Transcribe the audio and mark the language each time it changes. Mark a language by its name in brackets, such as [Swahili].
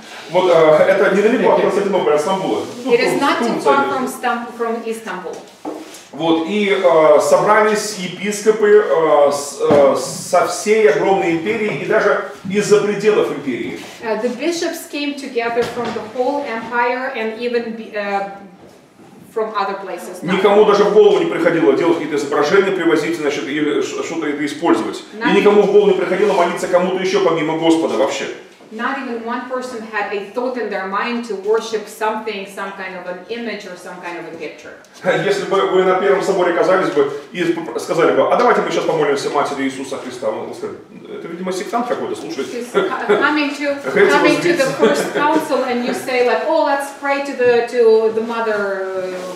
[Russian] Вот это недалеко от Константинополя, от Стамбула. [English] It is not too far from Istanbul. [Russian] Вот, и собрались епископы со всей огромной империи и даже из-за пределов империи. [English] The bishops came together from the whole empire and even from other places. [Russian] Никому даже в голову не приходило делать какие-то изображения, привозить, значит, или что-то это использовать. И никому в голову не приходило молиться кому-то еще помимо Господа вообще. [English] Not even one person had a thought in their mind to worship something, some kind of an image or some kind of a picture. [Russian] Если бы вы на первом соборе оказались бы и сказали бы, а давайте мы сейчас помолимся Матери Иисуса Христа, он сказал, это видимо сектант какой-то слушает. [English] Coming to the first council and you say like, oh, let's pray to the mother.